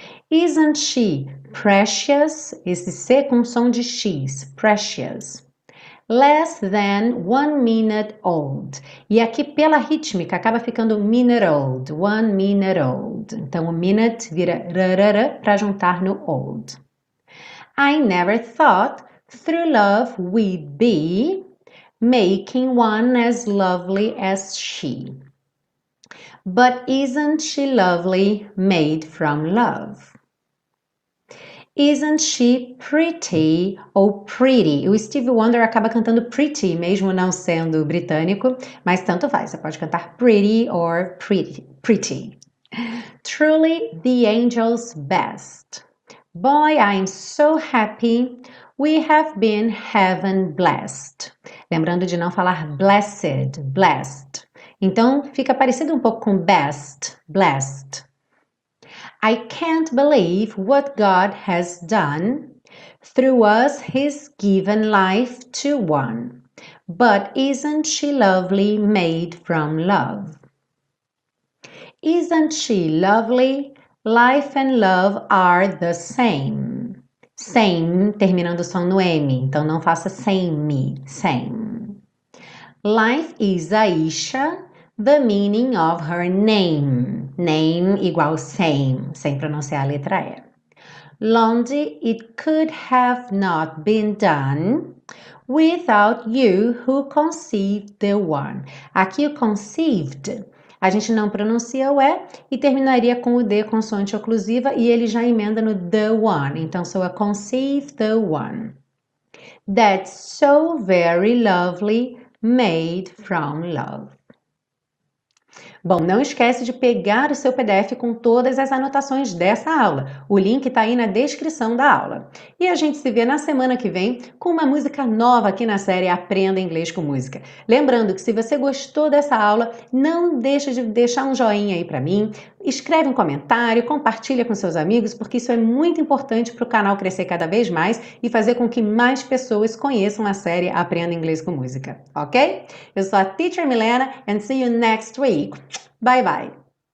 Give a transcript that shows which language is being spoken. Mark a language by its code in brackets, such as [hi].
[en] Isn't she precious? [pt] Esse C com som de X. Precious. [en] Less than 1 minute old. [pt] E aqui pela rítmica acaba ficando minute old. [en] 1 minute old. [pt] Então o minute vira rrr para juntar no old. [en] I never thought through love we'd be making one as lovely as she. But isn't she lovely made from love? Isn't she pretty ou pretty? [pt] O Stevie Wonder acaba cantando pretty, mesmo não sendo britânico, mas tanto faz. Você pode cantar pretty or pretty, pretty. [en] Truly the angel's best. Boy, I'm so happy we have been heaven blessed. [pt] Lembrando de não falar blessed, blessed. Então fica parecido um pouco com best, blessed. [en] I can't believe what God has done. Through us, He's given life to one. But isn't she lovely made from love? Isn't she lovely? Life and love are the same. [pt] Same, terminando só no M, então não faça same, same. [en] Life is Aisha. The meaning of her name. [pt] Name igual same, sem pronunciar a letra E. [en] Londi, it could have not been done without you who conceived the one. [pt] Aqui o conceived, a gente não pronuncia o E e terminaria com o D, consoante oclusiva, e ele já emenda no the one. Então soa [en] conceived the one. That's so very lovely, made from love. [pt] Bom, não esquece de pegar o seu PDF com todas as anotações dessa aula. O link está aí na descrição da aula. E a gente se vê na semana que vem com uma música nova aqui na série Aprenda Inglês com Música. Lembrando que se você gostou dessa aula, não deixa de deixar um joinha aí para mim, escreve um comentário, compartilha com seus amigos, porque isso é muito importante para o canal crescer cada vez mais e fazer com que mais pessoas conheçam a série Aprenda Inglês com Música, ok? Eu sou a Teacher Milena [en] and see you next week. Bye bye!